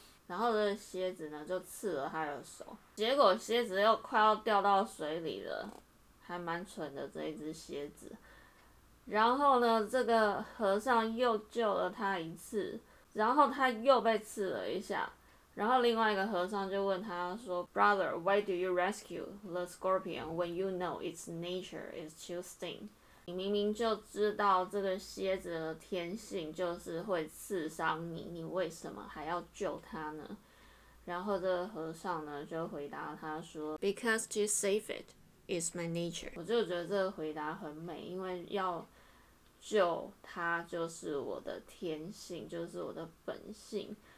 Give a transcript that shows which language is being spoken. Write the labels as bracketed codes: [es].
[zh] 然后这蝎子呢，就刺了他的手。结果蝎子又快要掉到水里了，还蛮蠢的这一只蝎子。然后呢，这个和尚又救了他一次，然后他又被刺了一下。然后另外一个和尚就问他说 [en] ，Brother, why do you rescue the scorpion when you know its nature is to sting? [zh] 你明明就知道这个蝎子的天性就是会刺伤你，你为什么还要救它呢？然后这个和尚呢就回答他说 [en] Because to save it is my nature. [zh] 我就觉得这个回答很美，因为要救它就是我的天性，就是我的本性。